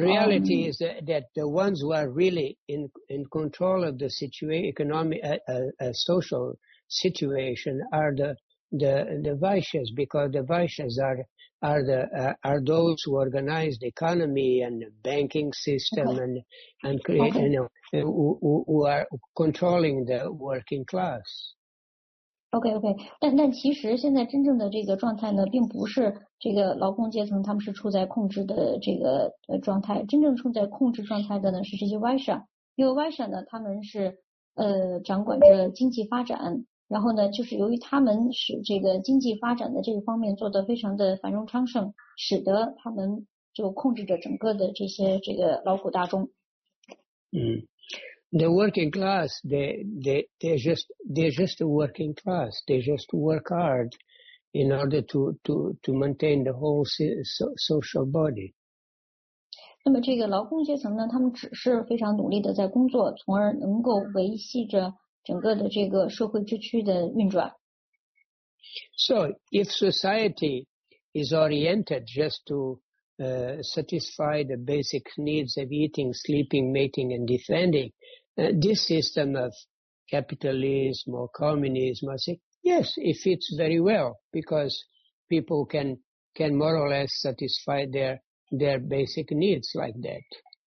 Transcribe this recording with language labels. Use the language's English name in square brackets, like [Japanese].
[English] reality is that the ones who are really in control of the situation, economic, social situation, are the Vaishyas, because the Vaishyas are are those who organize the economy and the banking system okay. And create, okay. You know, who are controlling the working class. Okay, okay. [Chinese] 但其实现在真正的这个状态呢，并不是这个劳工阶层他们是处在控制的这个状态。真正处在控制状态的呢，是这些外商，因为外商呢，他们是掌管着经济发展。然后呢，就是由于他们使这个经济发展的这个方面做得非常的繁荣昌盛，使得他们就控制着整个的这些这个劳苦大众。 [English] 嗯 ，the working class, they're just the working class. They just work hard in order to maintain the whole social body. [Chinese] 那么这个劳工阶层呢，他们只是非常努力的在工作，从而能够维系着。整个的这个社会秩序的运转。 [English] So, if society is oriented just to satisfy the basic needs of eating, sleeping, mating, and defending, this system of capitalism or communism, I say, yes, it fits very well because people can more or less satisfy their basic needs like that.